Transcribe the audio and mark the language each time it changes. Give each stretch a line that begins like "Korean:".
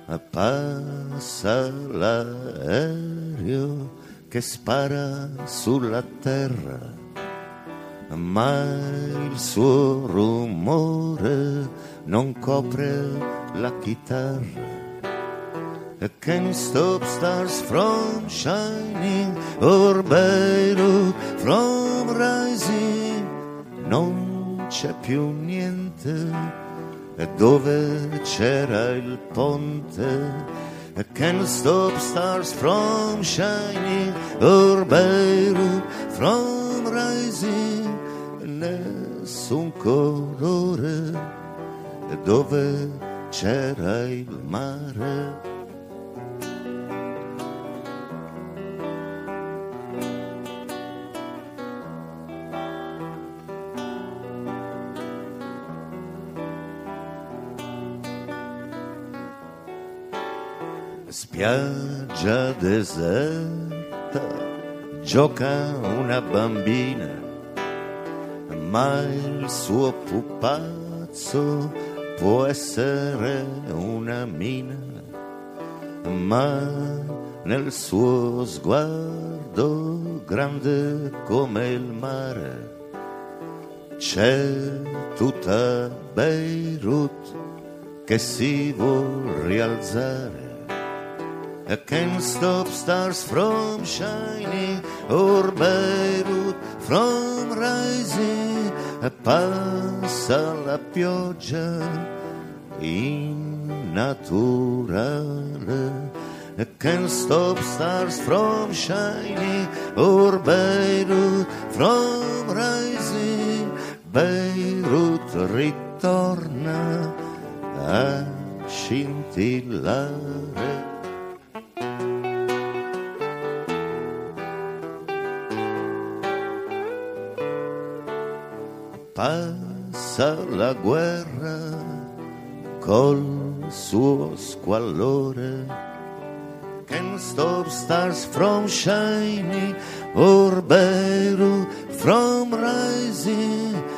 Italian: passa l'aereo che spara sulla terra, ma il suo rumore non copre la chitarra.
English: Can't stop stars from shining or Beirut from rising.
Italian: Non c'è più niente dove c'era il ponte.
English: Can't stop stars from shining or Beirut from rising.
Italian: Nessun colore dove c'era il mare. Spiaggia spiaggia deserta gioca una bambina, ma il suo pupazzo può essere una mina, ma nel suo sguardo grande come il mare c'è tutta Beirut che si vuol rialzare.
English: I can't stop stars from shining or Beirut from rising.
Italian: Passa la pioggia in naturale.
English: I can't stop stars from shining or Beirut from rising.
Italian: Beirut ritorna a scintillare. Passa la guerra col suo squallore.
English: Can't stop stars from shining or Beirut from rising.